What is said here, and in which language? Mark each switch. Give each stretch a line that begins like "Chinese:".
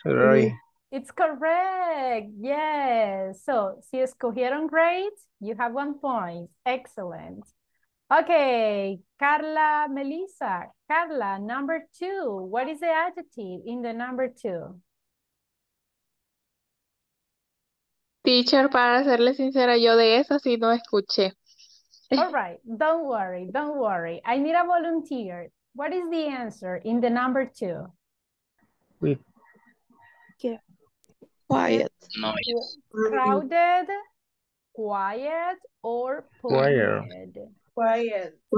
English: right. It's correct. Yes. So,
Spanish: si escogieron
English: great, you have 1 point. Excellent. Okay, Carla, Melissa. Carla, number two. What is the adjective in the number two?
Spanish: Teacher, para serle sincera, yo de eso sí no escuché.
English: All right, don't worry, don't worry. I need a volunteer. What is the answer in the number two? Quiet. Noise. Crowded, quiet, or polluted? Quiet.